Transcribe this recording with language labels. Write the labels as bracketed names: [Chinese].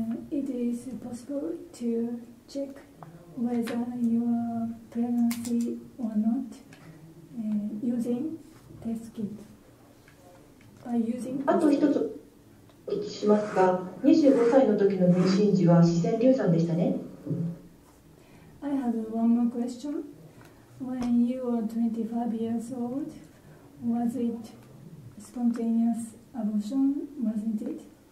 [English] It is possible to checkWhether you are pregnant or not, using test kit. By using [Japanese] あと一つお聞きしますが、25歳の時の妊娠時は自然流産でしたね。 [English] I have one more question. When you were 25 years old, was it spontaneous abortion, wasn't it?